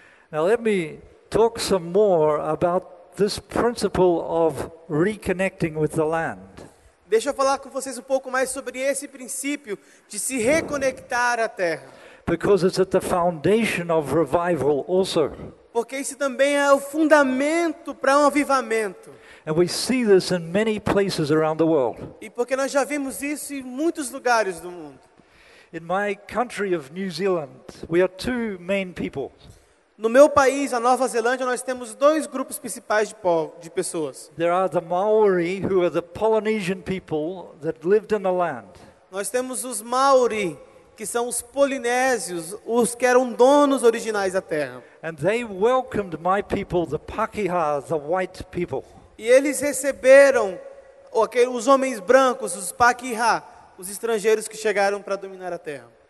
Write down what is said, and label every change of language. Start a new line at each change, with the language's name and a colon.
English: Now let me talk some more about this principle of reconnecting with the land.
Portuguese: Deixa eu falar com vocês um pouco mais sobre esse princípio de se reconectar à terra.
English: Because it's at the foundation of revival also.
Portuguese: Porque isso também é o fundamento para um avivamento.
English: And we see this in many places around the world.
Portuguese: E porque nós já vimos isso em muitos lugares do mundo.
English: In my country of New Zealand, we are two main people.
Portuguese: No meu país, a Nova Zelândia, nós temos dois grupos principais de pessoas.
English: There are the Maori, who are the Polynesian people that lived in the land.
Portuguese: Nós temos os Maori, que são os polinésios, os que eram donos originais da terra.
English: And they welcomed my people, the Pakeha, the white people.
Portuguese: E eles receberam os homens brancos, os Pakeha, os estrangeiros que chegaram para dominar a terra.